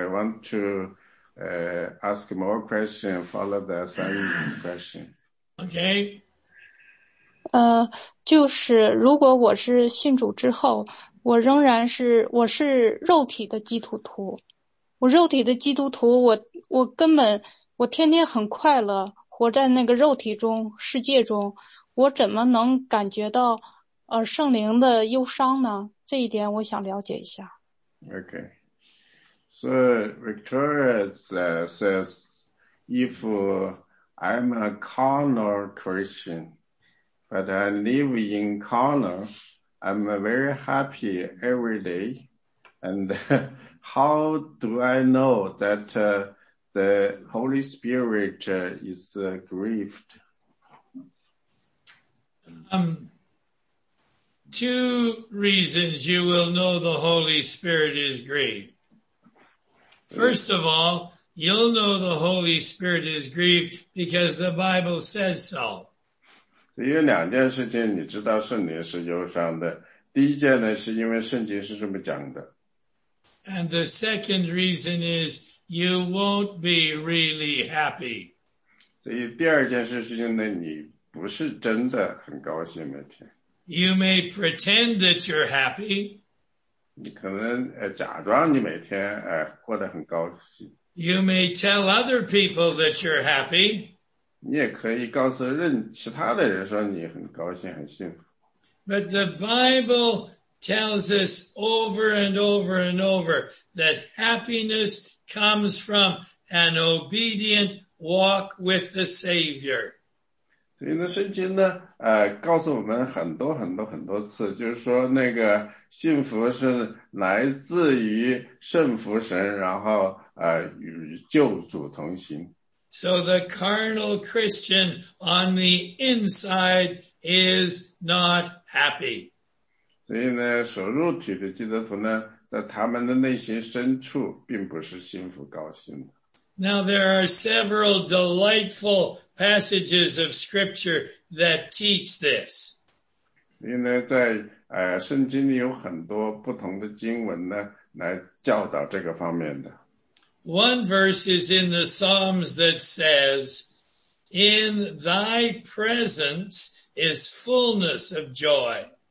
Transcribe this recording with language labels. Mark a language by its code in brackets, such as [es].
[en] I want to ask more question, follow the Sunny's question. Okay. [zh] 就是如果我是信主之后，我仍然是，我是肉体的基督徒。我肉体的基督徒，我根本，我天天很快乐，活在那个肉体中，世界中，我怎么能感觉到圣灵的忧伤呢？这一点我想了解一下。 [en] Okay. So Victoria says, if I'm a carnal Christian, but I live in carnal,I'm very happy every day. And how do I know that the Holy Spirit is grieved? Two reasons you will know the Holy Spirit is grieved. First of all, you'll know the Holy Spirit is grieved because the Bible says so. [zh] 有两件事情你知道圣灵是忧伤的。第一件呢，是因为圣经是这么讲的。 [en] And the second reason is you won't be really happy. [zh] 所以第二件事情呢，你不是真的很高兴每天。 [en] You may pretend that you're happy. [zh] 你可能假装你每天过得很高兴。 [en] You may tell other people that you're happy. [zh] 你也可以告诉任其他的人说你很高兴很幸福。 [en] But the Bible tells us over and over and over that happiness comes from an obedient walk with the Savior. [zh] 所以呢圣经呢告诉我们很多很多很多次，就是说那个幸福是来自于顺服神，然后与救主同行。 [en] So the carnal Christian on the inside is not happy. [zh] 所以呢，属肉体的基督徒呢，在他们的内心深处并不是幸福高兴的。 [en] Now there are several delightful passages of scripture that teach this. [zh] 所以呢，在圣经里有很多不同的经文呢，来教导这个方面的。 [en] One verse is in the Psalms that says, In thy presence is fullness of joy.